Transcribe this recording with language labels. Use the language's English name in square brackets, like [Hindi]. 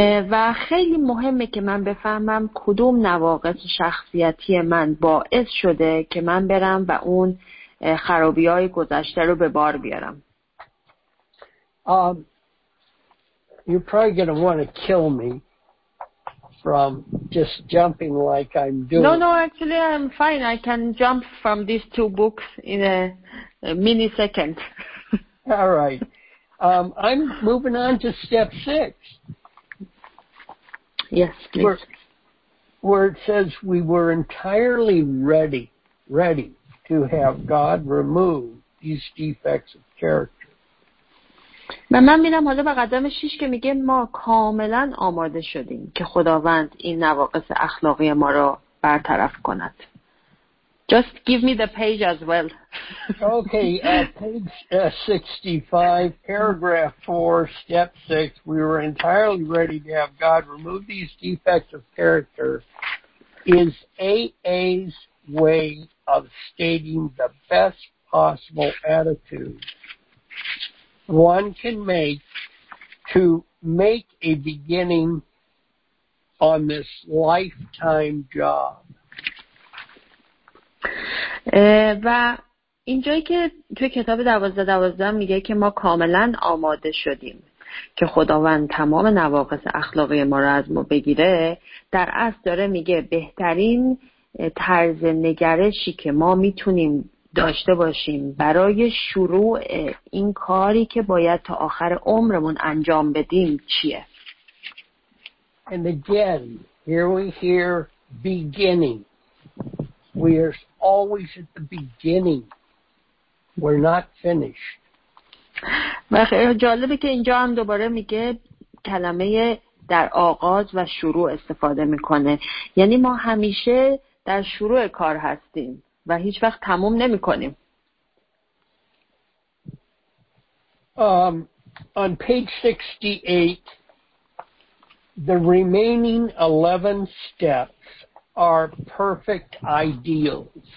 [Persian] و خیلی مهمه که من بفهمم کدوم نواقص شخصیتی من باعث شده که من برم و اون خرابی‌های گذشته رو به بار بیارم. [English] You're probably going to want to kill me from just jumping like I'm doing. No, no, actually I'm fine. I can jump from these two books in a mini second. All right. I'm moving on to step six. Yes, please. Where it says we were entirely ready to have God remove these defects of character. [Persian] من میرم حالا به قدم 6 که میگه ما کاملا آماده شدیم که خداوند این نواقص اخلاقی ما را برطرف کند. [English] Just give me the page as well. Okay, page 65, paragraph 4, step 6. We were entirely ready to have God remove these defects of character. Is AA's way of stating the best possible attitude one can make to make a beginning on this lifetime job. [Persian] و اینجایی که توی کتاب 12-12 میگه که ما کاملا آماده شدیم که خداوند تمام نواقص اخلاقی ما را از ما بگیره، در اصل داره میگه بهترین طرز نگرشی که ما میتونیم داشته باشیم برای شروع این کاری که باید تا آخر عمرمون انجام بدیم چیه؟ [English] And again, here we hear beginning. We are always at the beginning. We're not finished. [Persian] و جالبه که اینجا هم دوباره میگه کلمه در آغاز و شروع استفاده میکنه. یعنی ما همیشه در شروع کار هستیم. و هیچ وقت تموم نمی کنیم. [English] On page 68, the remaining 11 steps are perfect ideals.